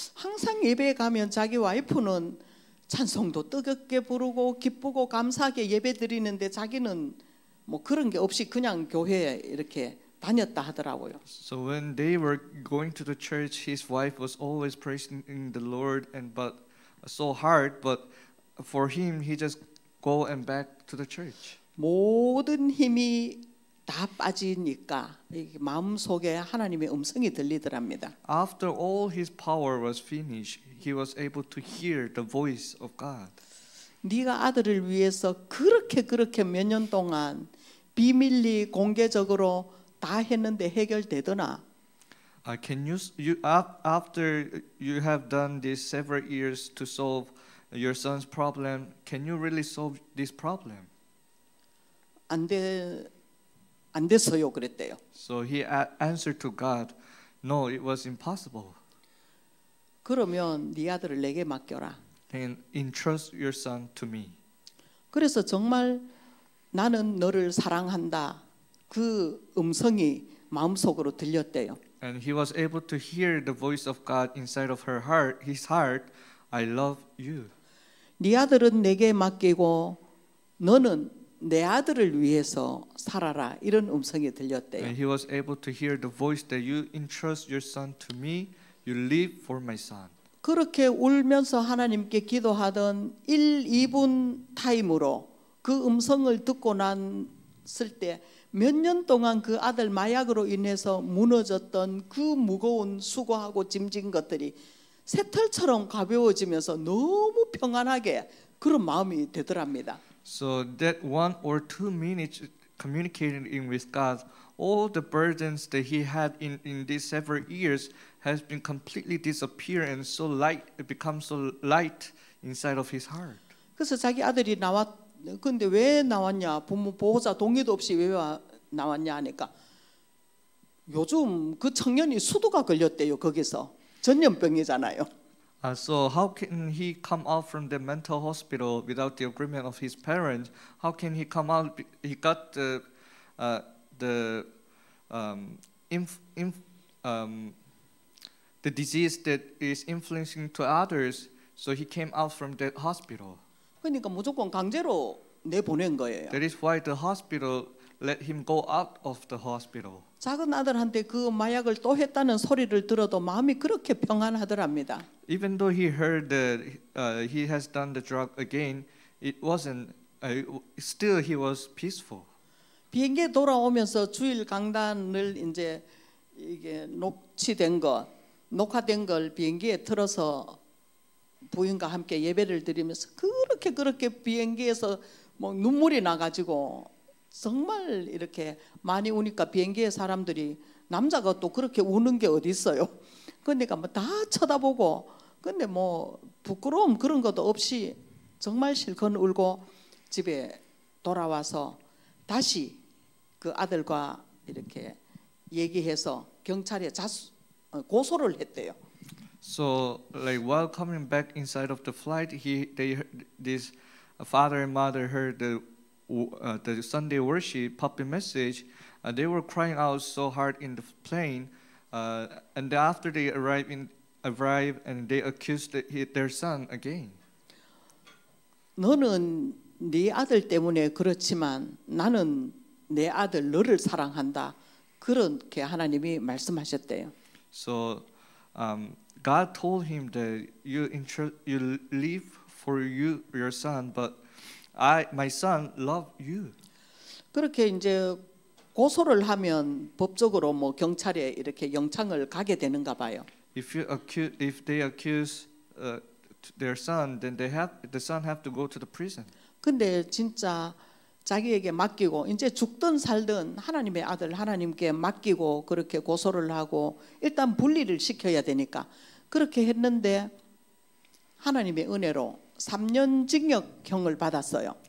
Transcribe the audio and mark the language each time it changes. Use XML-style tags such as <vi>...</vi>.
<ko>항상 예배에 가면 자기 와이프는 찬송도 뜨겁게 부르고 기쁘고 감사하게 예배 드리는데 자기는 뭐 그런 게 없이 그냥 교회에 이렇게 다녔다 하더라고요.</ko> <en>So when they were going to the church, his wife was always praising the Lord and but so hard, but for him, he just go and back to the church.</en> <ko>모든 힘이 다 빠지니까 마음 속에 하나님의 음성이 들리더랍니다.</ko> <en>After all his power was finished, he was able to hear the voice of God.</en> <ko>네가 아들을 위해서 그렇게 몇 년 동안 비밀리 공개적으로 다 했는데 해결되더나?</ko> <en>Can you after you have done this several years to solve your son's problem, can you really solve this problem?</en> <ko>안 돼서요 그랬대요.</ko> <en>So he answered to God, no, it was impossible.</en> <ko>그러면 네 아들을 내게 맡겨라.</ko> <en>And entrust your son to me.</en> <ko>그래서 정말 나는 너를 사랑한다. 그 음성이 마음속으로 들렸대요.</ko> <en>And he was able to hear the voice of God inside of her heart, his heart, I love you.</en> <ko>네 아들은 내게 맡기고 너는 내 아들을 위해서 살아라 이런 음성이 들렸대요.</ko> <en>And he was able to hear the voice that you entrust your son to me, you live for my son.</en> <ko>그렇게 울면서 하나님께 기도하던 1, 2분 타임으로 그 음성을 듣고 났을 때 몇 년 동안 그 아들 마약으로 인해서 무너졌던 그 무거운 수고하고 짐진 것들이 새털처럼 가벼워지면서 너무 평안하게 그런 마음이 되더랍니다.</ko> <en>So that 1 or 2 minutes communicating in with God, all the burdens that he had in these several years has been completely disappeared and so light, it becomes so light inside of his heart.</en> <ko>그래서 자기 아들이 근데 왜 나왔냐? 부모 보호자 동의도 없이 왜 나왔냐 하니까 요즘 그 청년이 수두가 걸렸대요. 거기서 전염병이잖아요.</ko> <en>So how can he come out from the mental hospital without the agreement of his parents? How can he come out? He got the disease that is influencing to others. So he came out from the hospital.</en> <ko>그러니까 무조건 강제로 내보낸 거예요.</ko> <en>That is why the hospital let him go out of the hospital.</en> <ko>작은 아들한테 그 마약을 또 했다는 소리를 들어도 마음이 그렇게 평안하더랍니다.</ko> <en>Even though he heard that he has done the drug again, it wasn't. Still, he was peaceful.</en> <ko>비행기 돌아오면서 주일 강단을 이제 이게 녹취된 거, 녹화된 걸 비행기에 틀어서 부인과 함께 예배를 드리면서 그렇게 비행기에서 뭐 눈물이 나가지고 정말 이렇게 많이 우니까 비행기의 사람들이 남자가 또 그렇게 우는 게 어디 있어요? 그러니까 뭐 다 쳐다보고. 근데 뭐 부끄러움 그런 것도 없이 정말 실컷 울고 집에 돌아와서 다시 그 아들과 이렇게 얘기해서 경찰에 고소를 했대요.</ko> <en>So like while coming back inside of the flight, this father and mother heard the Sunday worship puppy message. They were crying out so hard in the plane, and after they arrived and they accused their son again.</en> <ko>너는 네 아들 때문에 그렇지만 나는 내 아들 너를 사랑한다. 그렇게 하나님이 말씀하셨대요.</ko> <en>So God told him that you live for your son, but my son love you.</en> <ko>그렇게 이제 고소를 하면 법적으로 뭐 경찰에 이렇게 영창을 가게 되는가 봐요.</ko> <en>If they accuse their son, then the son have to go to the prison.</en> <ko>근데 진짜 자기에게 맡기고 이제 죽든 살든 하나님의 아들 하나님께 맡기고 그렇게 고소를 하고 일단 분리를 시켜야 되니까 그렇게 했는데 하나님의 은혜로 3년 징역형을 받았어요.</ko>